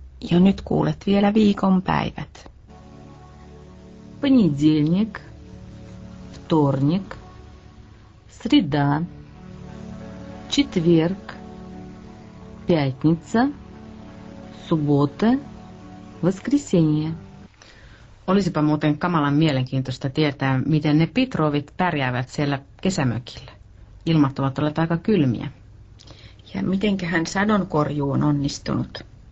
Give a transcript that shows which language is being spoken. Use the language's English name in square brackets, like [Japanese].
[Finnish] Ja nyt kuulet vielä viikon päivät. [Russian] Понедельник, вторник, среда, четверг, пятница, суббота, воскресенье. [Finnish] Olisipa muuten kamalan mielenkiintoista tietää, miten ne Petrovit pärjäävät siellä kesämökillä. Ilmat ovat olleet aika kylmiä. Ja mitenköhän sadonkorjuu on onnistunut?